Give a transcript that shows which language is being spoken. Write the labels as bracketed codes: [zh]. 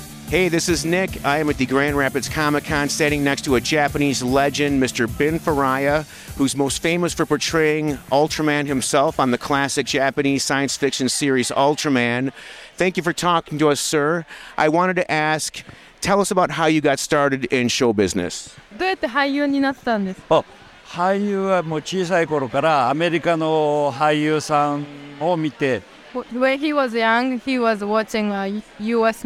[en] Hey, this is Nick. I am at the Grand Rapids Comic-Con, standing next to a Japanese legend, Mr. Bin Furuya, who's most famous for portraying Ultraman himself on the classic Japanese science fiction series Ultraman. Thank you for talking to us, sir. I wanted to ask, tell us about how you got started in show business. [ja] どうやって俳優になったんですか? 俳優はもう小さい頃からアメリカの俳優さんを見て、 [en] When he was young, he was watching U.S.